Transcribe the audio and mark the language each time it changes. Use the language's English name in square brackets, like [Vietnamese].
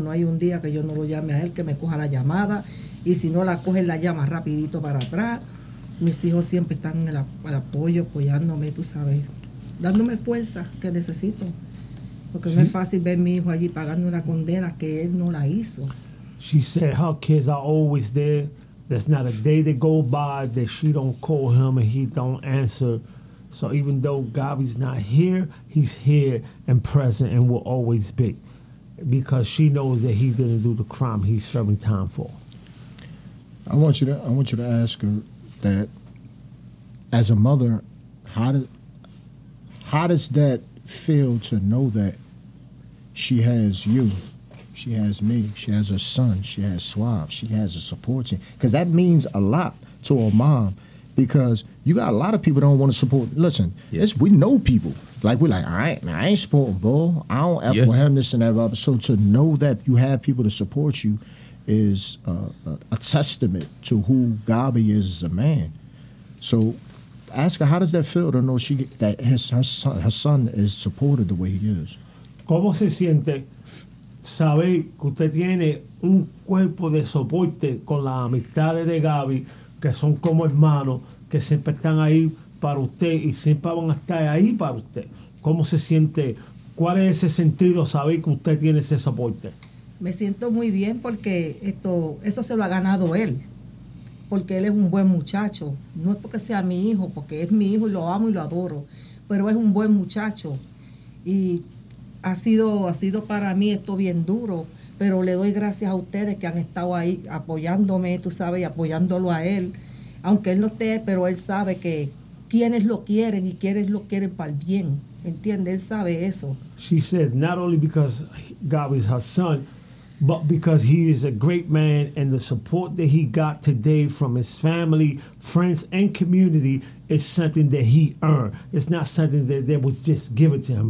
[Spanish] No hay un día que yo no lo llame a él, que me coja la llamada. Y si no la coge, la llama rapidito para atrás. Mis hijos siempre están en el apoyo, apoyándome, tú sabes. Dándome fuerza que necesito. Porque sí. No es fácil ver a mi hijo allí pagando una condena que él no la hizo. [English] She said her kids are always there. There's not a day that go by that she don't call him and he don't answer. So even though Gabby's not here, he's here and present and will always be. Because she knows that he didn't do the crime he's serving time for. I want you to ask her that, as a mother, how does that feel to know that she has you? She has me. She has her son. She has Suave. She has a support team. Because that means a lot to a mom. Because you got a lot of people that don't want to support. Listen, yes, we know people. Like, we're like, all right, man, I ain't supporting Bull. I don't ever have this and that. So to know that you have people to support you is a testament to who Gabi is as a man. So ask her, how does that feel to know that her son is supported the way he is? [Spanish] ¿Cómo se siente? saber que usted tiene un cuerpo de soporte con las amistades de Gaby, que son como hermanos, que siempre están ahí para usted y siempre van a estar ahí para usted. ¿Cómo se siente? ¿Cuál es ese sentido saber que usted tiene ese soporte? Me siento muy bien porque esto, eso se lo ha ganado él, porque él es un buen muchacho. No es porque sea mi hijo, porque es mi hijo y lo amo y lo adoro, pero es un buen muchacho. Y ha sido para mí esto bien duro, pero le doy gracias a ustedes que han estado ahí apoyándome, tú sabes, y apoyándolo a él. Aunque él no esté, pero él sabe que quienes lo quieren y quienes lo quieren para el bien. ¿Entiendes? Él sabe eso. [English] She said, not only because Gaby is her son, but because he is a great man and the support that he got today from his family, friends, and community is something that he earned. It's not something that was just given to him.